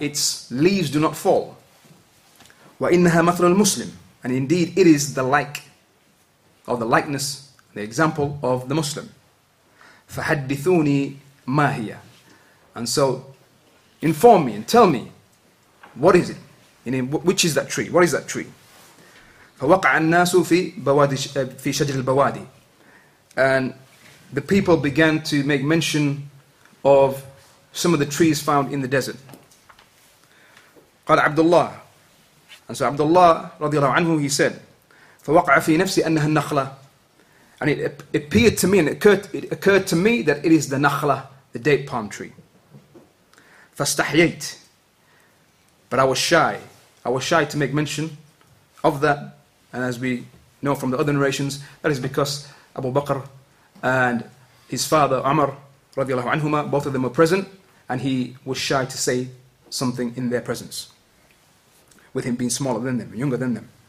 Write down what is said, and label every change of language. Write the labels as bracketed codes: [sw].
[en] Its leaves do not fall. [ar] وإنها مثل المسلم. [en] And indeed, it is the like, or the likeness, the example of the Muslim. [ar] فحدثوني ما هي. [en] And so, inform me and tell me, what is it? Which is that tree? What is that tree? [ar] فوقع الناس في بوادي في شجر البوادي. [en] And the people began to make mention of some of the trees found in the desert. [ar] قال عبد الله. [en] And so [ar] عبد الله رضي الله عنه, [en] he said, [ar] فوقع في نفسي أنها النخلة. [en] And it appeared to me, and it occurred to me that it is the nakhla, the date palm tree. [ar] فاستحييت. [en] But I was shy. I was shy to make mention of that. And as we know from the other narrations, that is because Abu Bakr and his father, Umar, radiallahu anhuma, both of them were present, and he was shy to say something in their presence, with him being smaller than them, younger than them.